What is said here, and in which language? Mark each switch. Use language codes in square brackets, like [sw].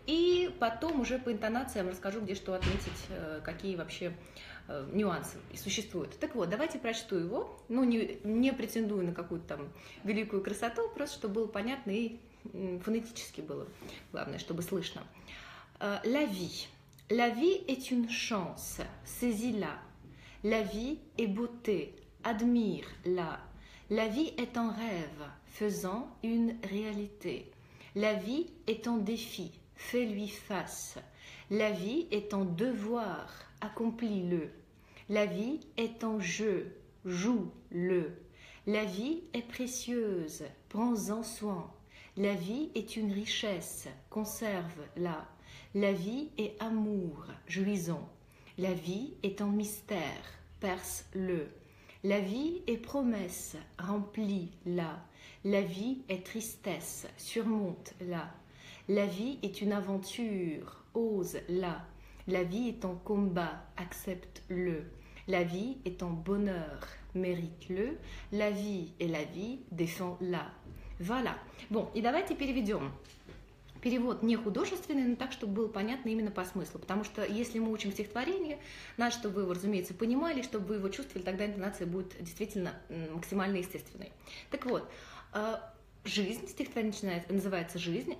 [ru] И потом уже по интонациям расскажу, где что отметить, какие вообще нюансы существуют. Так вот, давайте прочту его, ну, не претендую на какую-то там великую красоту, просто чтобы было понятно и фонетически было, главное, чтобы слышно. [fr] La vie. La vie est une chance, saisis-la. La vie est beauté, admire-la. La vie est un rêve, faisant une réalité. La vie est un défi, fais-lui face. La vie est un devoir, accomplis-le. La vie est un jeu, joue-le. La vie est précieuse, prends-en soin. La vie est une richesse, conserve-la. La vie est amour, jouis-en. La vie est un mystère, perce-le. La vie est promesse, remplis-la. La vie est tristesse, surmonte-la. La vie est une aventure, ose-la. La vie est en combat, accepte-le. La vie est en bonheur, mérite-le. La vie est la vie, défends-la. Voilà. Bon, et [ru] давайте переведем. Перевод не художественный, но так, чтобы было понятно именно по смыслу. Потому что если мы учим стихотворение, надо, чтобы вы его, разумеется, понимали, чтобы вы его чувствовали, тогда интонация будет действительно максимально естественной. Так вот, жизнь, стихотворение начинается, называется «Жизнь».